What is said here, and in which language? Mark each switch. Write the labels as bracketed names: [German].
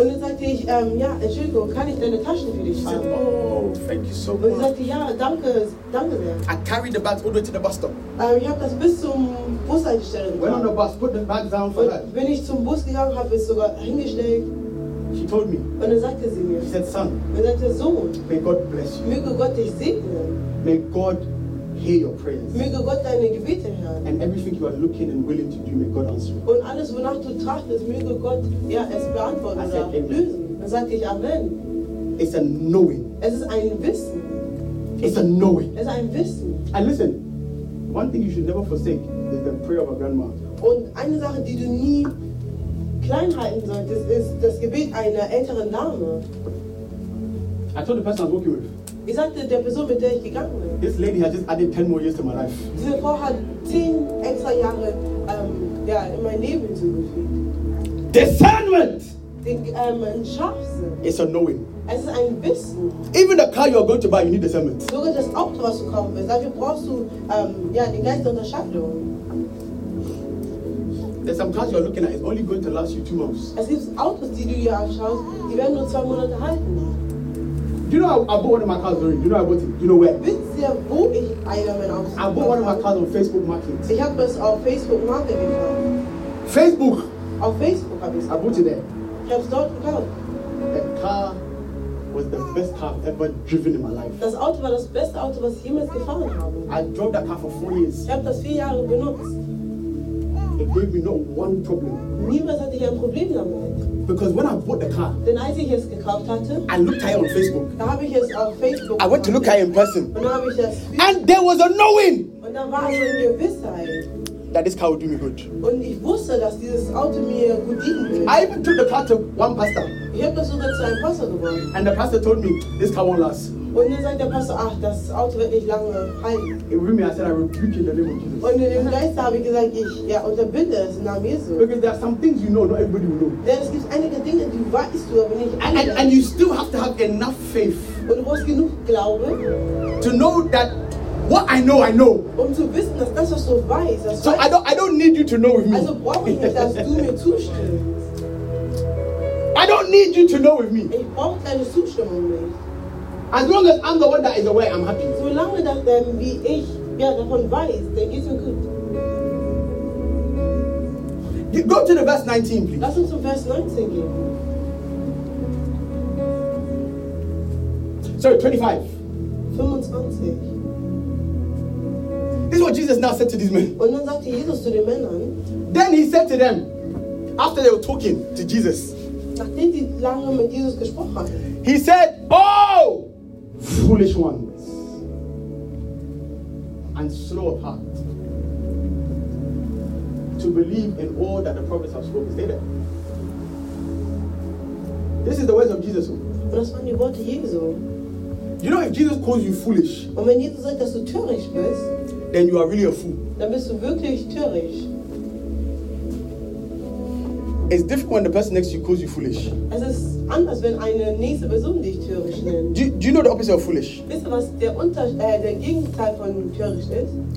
[German] Und dann sagte ich, ja, Entschuldigung, kann ich deine Taschen für dich haben? [English] Oh, thank you so much. [German] Und sagte, ja, danke, danke sehr. [English] I carried the bags all the way to the bus stop. [German] Ich habe das bis zum Bushaltestelle gebracht. [English] Went on the bus, put the bags down for that. [German] Bin ich zum Bus gegangen, habe es sogar hingestellt. [English] She told me. [German] Und dann sagte sie mir. [English] She said, Son. [German] Und sagte, Sohn. [English] May God bless you. [German] Möge Gott dich segnen. [English] May God hear your prayers. [German] Möge Gott deine Gebete hören. [English] And everything you are looking and willing to do, may God answer. [German] Und alles, wonach du trachtest, möge Gott ja, es beantworten oder lösen. Dann sagte ich, Amen. [English] It's a knowing. [German] Es ist ein Wissen. [English] It's a knowing. [German] Es ist ein Wissen. [English] And listen, one thing you should never forsake is the prayer of a grandma. [German] Und eine Sache, die du nie klein halten solltest, ist das Gebet einer älteren Dame. [English] I told the person I was working with. [German] Ich sagte der Person, mit der ich gegangen bin. [English] This lady has just added 10 more years to my life. [German] Diese Frau hat 10 extra Jahre ja, in mein Leben zugefügt. [English] Discernment! [German] Ein Scharfsinn. [English] It's a knowing. [German] Es ist ein Wissen. [English] Even the car you are going to buy, you need discernment. [German] Sogar das Auto, was du kaufen willst, dafür brauchst du ja, den Geist der Unterscheidung. [English] There's some cars you're looking at, it's only going to last you 2 months. [German] Es gibt Autos, die du hier anschaust, die werden nur 2 Monate halten. [English] Do you know how I bought one of my cars during? Do you know how I bought it? Do you know where? [German] Wisst ihr, wo ich einer meiner Autos habe? [English] I bought one of my cars on Facebook Market. [German] Ich habe es auf Facebook Market gekauft. [English] Facebook? [German] Auf Facebook habe ich es. [English] I bought it there. [German] Ich habe es dort gekauft. [English] The car was the best car I've ever driven in my life. [German] Das Auto war das beste Auto, was ich jemals gefahren habe. [English] I drove that car for 4 years. [German] Ich habe das 4 Jahre benutzt. [English] It gave me not one problem. [German] Niemals hatte ich ein Problem damit. [English] Because when I bought the car, [German] denn als ich es gekauft hatte, [English] I looked at it on Facebook. [German] Da habe ich es auf Facebook. [English] I went to look at it in person. [German] Und dann habe ich das. [English] And there was a knowing. [German] Und da war so eine Gewissheit. [English] That this car would do me good. [German] Und ich wusste, dass dieses Auto mir gut dienen würde. [English] I even took the car to one pastor. [German] Ich habe das sogar zu einem Pastor gebracht. [English] And the pastor told me this car won't last. [German] Und dann sagt der Pastor, ach, das Auto wird nicht lange halten. [English] Me, I said, I rebuke in the name of Jesus. [German] Und im Geist habe ich gesagt, ich ja, unterbinde es im Namen Jesu. [English] Because there are some things you know, not everybody will know. [German] Denn es gibt einige Dinge, die weißt du, aber nicht alle. [English] And you still have to have enough faith. [German] Und du brauchst genug Glaube. [English] To know that what I know, I know. [German] Um zu wissen, dass das, was du weißt, das so weißt. [English] I don't need you to know with me. [German] Also brauche ich nicht, dass du mir zustimmst. [English] I don't need you to know with me. [German] Ich brauche keine Zustimmung mehr. [English] As long as I'm the one that is aware, I'm happy. [German] Solange das dann wie ich ja davon weiß, dann geht's mir gut. [English] You go to the verse 19, please. [German] Lass uns zum Vers 19 gehen. [English] Sorry, 25. 25. This is what Jesus now said to these men. [German] Und dann sagte Jesus zu den Männern. [English] Then he said to them, after they were talking to Jesus. [German] Nachdem sie lange mit Jesus gesprochen haben. [English] He said, oh! Foolish ones and slow of heart to believe in all that the prophets have spoken. Stay there. This is the words of Jesus. [German] Das waren die Worte Jesu. [English] You know, if Jesus calls you foolish, [German] und wenn Jesus sagt, dass du töricht bist, [English] then you are really a fool. [German] Dann bist du wirklich töricht. [English] It's different when the person next to you calls you foolish. [German] Es ist anders, wenn eine nächste Person dich törisch nennt. [English] Do you know the opposite of foolish? [German] Wisst ihr, was der der Gegenteil von törisch ist?